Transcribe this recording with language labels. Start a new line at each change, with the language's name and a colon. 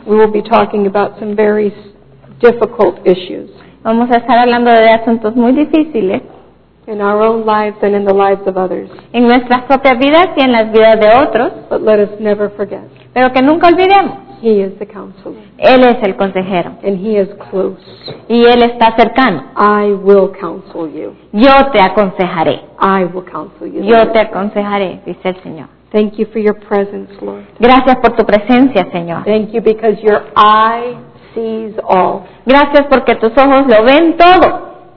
English: we will be talking about some very difficult issues.
Spanish: Vamos a estar hablando de asuntos muy difíciles.
English: In our own lives and in the lives of others.
Spanish: En nuestras propias vidas y en las vidas de otros.
English: But let us never forget.
Spanish: Pero que nunca olvidemos.
English: He is the counselor.
Spanish: Él es el consejero.
English: And he is close.
Spanish: Y él está cercano.
English: I will counsel you.
Spanish: Yo te aconsejaré.
English: I will counsel you.
Spanish: Yo te aconsejaré, dice el Señor.
English: Thank you for your presence, Lord.
Spanish: Gracias por tu presencia, Señor.
English: Thank you because your eye sees all.
Spanish: Gracias porque tus ojos lo ven todo.